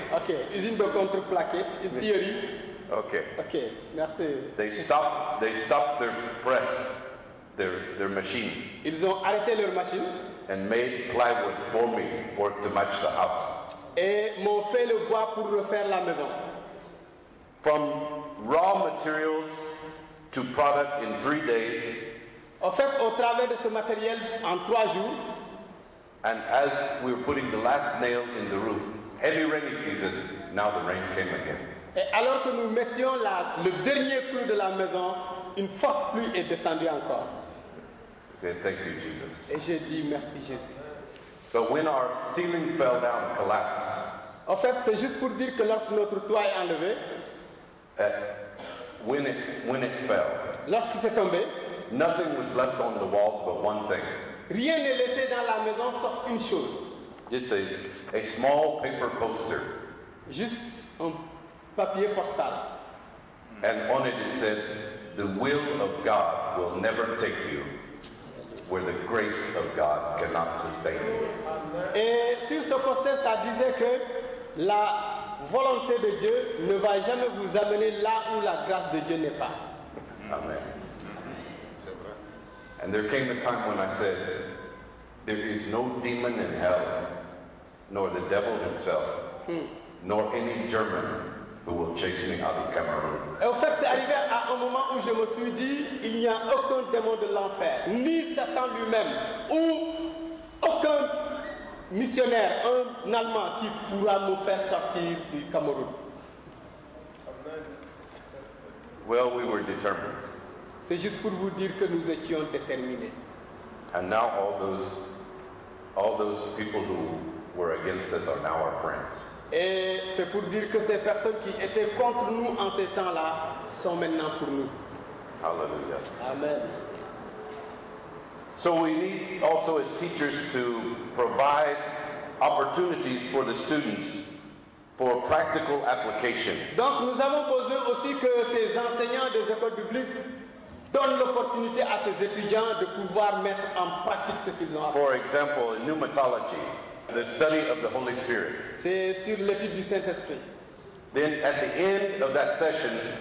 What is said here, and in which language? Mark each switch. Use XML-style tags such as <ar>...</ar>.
<fr>Okay, usine de contreplaqué, une théorie.</fr> <en>Okay.</en> <fr>Okay. Merci.</fr> <en>They stopped their press, their machine.</en> <fr>Ils ont arrêté leur machine.</fr> <en>And made plywood for me for to match the house.</en> <fr>Et m'ont fait le bois pour refaire la maison.</fr> <en>From raw materials to product in 3 days.</en> <fr>En fait, au travers de ce matériel en 3 jours.</fr> <en>And as we were putting the last nail in the roof, heavy rainy season. Now the rain came again.</en> <fr>Et alors que nous mettions le dernier clou de la maison, une forte pluie est descendue encore.</fr> <en>Said, thank you, Jesus.</en> <fr>Et j'ai dit merci Jésus.</fr> <en>But when our ceiling fell down and collapsed.</en> <fr>En fait, c'est juste pour dire que lorsque notre toit est enlevé.</fr> <en>When it fell.</en> <fr>Lorsqu'il s'est tombé.</fr> <en>Nothing was left on the walls but one thing.</en> <fr>Rien n'est laissé dans la maison sauf une chose.</fr> <en>Just a small paper poster.</en> <fr>Juste un papier postal.</fr> <en>And on it it said, the will of God will never take you where the grace of God cannot sustain you.</en> <fr>Et sur ce poster, ça disait que la volonté de Dieu ne va jamais vous amener là où la grâce de Dieu n'est pas.</fr> <en>Amen. And there came a time when I said, there is no demon in hell, nor the devil himself, nor any German who will chase me out of Cameroon.</en> <fr>Et en fait, c'est arrivé à un moment où je me suis dit, il n'y a aucun démon de l'enfer, ni Satan lui-même, ou aucun missionnaire, un Allemand, qui pourra me faire sortir du Cameroun.</fr> <en>Well, we were determined.</en> <fr>C'est juste pour vous dire que nous étions déterminés.</fr> <en>And now all those people who were against us are now our friends.</en> <fr>Et c'est pour dire que ces personnes qui étaient contre nous en ces temps-là sont maintenant pour nous.</fr> <en>Hallelujah. Amen. So we need also as teachers to provide opportunities for the students for practical application.</en> <fr>Donc nous avons besoin aussi que ces enseignants des écoles publiques donne l'opportunité à ses étudiants de pouvoir mettre en pratique ce qu'ils ont appris.</fr> <en>For example, in pneumatology, the study of the Holy Spirit.</en> <fr>C'est sur l'étude du Saint-Esprit.</fr> <en>Then at the end of that session,</en>